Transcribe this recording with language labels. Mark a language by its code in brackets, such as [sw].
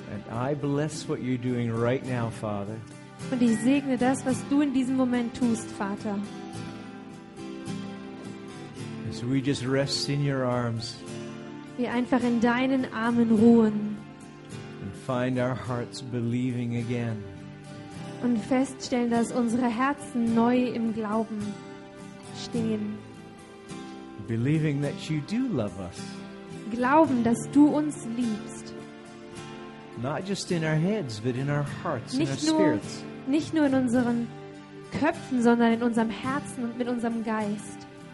[en] I bless what you're doing right now, Father. [de] Und ich segne das, was du in diesem Moment tust, Vater. [en] As we just rest in your arms. [de] wir einfach in deinen Armen ruhen. [en] And find our hearts believing again. [de] Und feststellen, dass unsere Herzen neu im Glauben stehen. [en] Believing that you do love us. [de] Glauben, dass du uns liebst. [en] Not just in our heads, but in our hearts, [de] nicht [en] in our spirits. [de] Nicht nur in unseren Köpfen, sondern in unserem Herzen und mit unserem Geist.